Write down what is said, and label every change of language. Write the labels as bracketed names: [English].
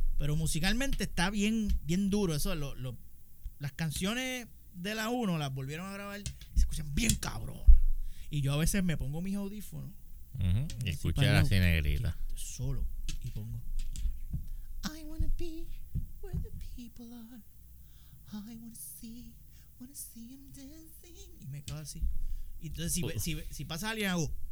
[Spanish] Pero musicalmente está bien, bien duro. Eso, las canciones de la 1 las volvieron a grabar y se escuchan bien cabrón. Y yo a veces me pongo mis audífonos. Y escucha la Cinegrita. Solo. Y pongo. [English] I wanna be where the people are. I wanna see them dancing. [Spanish] Y me quedo así. Y entonces, si pasa alguien, hago.